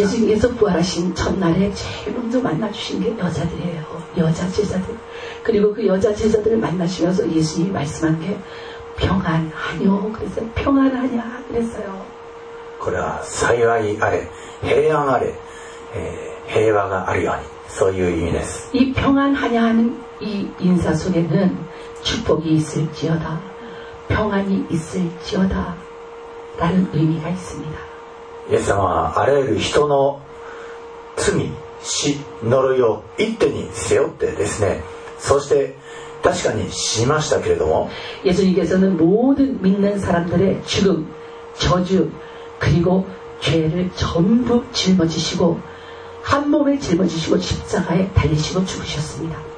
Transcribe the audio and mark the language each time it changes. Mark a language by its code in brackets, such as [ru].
[ko] 예수님께서부활하신첫날에제일먼저만나주신게여자들이에요여자제자들그리고그여자제자들을만나시면서예수님이말씀한게평안하뇨그랬어요평안하냐그랬어요 [ja] 그래사유아이아래平安あれ、平和があるようにそういう意味です。 [ko] 이평안하냐하는이인사속에는축복이있을지어다평안이있을지어다라는의미가있습니다 [ja] イエス様はあらゆる人の罪、死、呪いを一手に背負ってですね、そして確かに死にましたけれども、 [ko] 예수님께서는모든믿는사람들의죽음、저주、그리고죄를전부짊어지시고한몸에짊어지시고십자가에달리시고죽으셨습니다